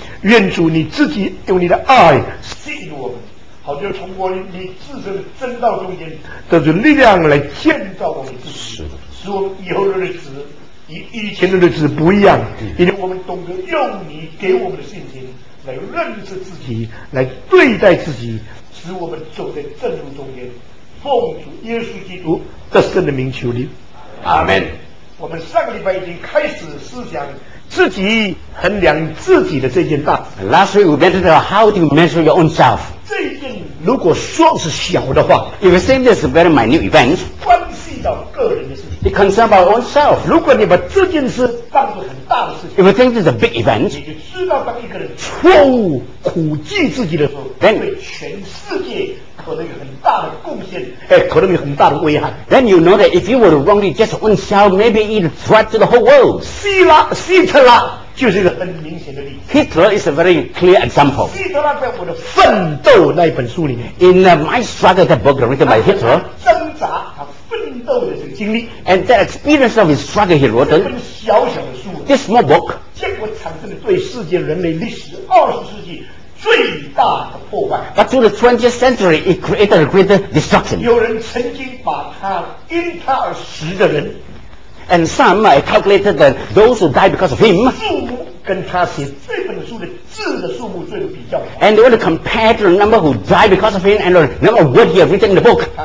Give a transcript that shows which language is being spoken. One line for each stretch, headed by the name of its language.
Chinese: 愿主你自己用你的爱吸引我们，好像从我你自身的真道中间得出力量来建造我们自己，使我们以后的日子以前的日子不一样，因为我们懂得用你给我们的信心来认识自己，来对待自己，使我们走在正路中间。奉主耶稣基督得胜的名求你，阿们。我们上个礼拜已经开始思想自己衡量自己的这件大。
English: Last week we mentioned how to measure your own self。
Chinese: 这件如果说是小的话
English: ，if it seems a very minute event，
Chinese: 关系到个人的事。
English: It concerns about oneself.
Chinese: 如果你把这件事当作很大的事情
English: ，if you think it's a big event，
Chinese: 你就知道当一个人错误苦记自己的时候
English: ，then
Chinese: 对全世界可能有很大的贡献，哎，可能有很大的危害。
English: Then you know that if you were wrongly just oneself, maybe it threat to the whole world.
Chinese: 希特拉就是一个很明显的例子。
English: Hitler is a very clear example.
Chinese: 希特拉在我的奋斗那一本书里面
English: ，in my struggle that book written by Hitler，
Chinese: 挣扎。经历
English: and that experience of his struggle he wrote
Chinese: in 小小的书
English: this small book
Chinese: 结果产生了对世界人类历史二十世纪最大的破坏
English: but to the 20th century it created a greater destruction
Chinese: 有人曾经把他因他而死的人
English: and some I calculated that those who died because of him
Chinese: 数目跟他写这本书的字的数目做了比较
English: and they want to compare to the number who died because of him and the number of words he had written in the book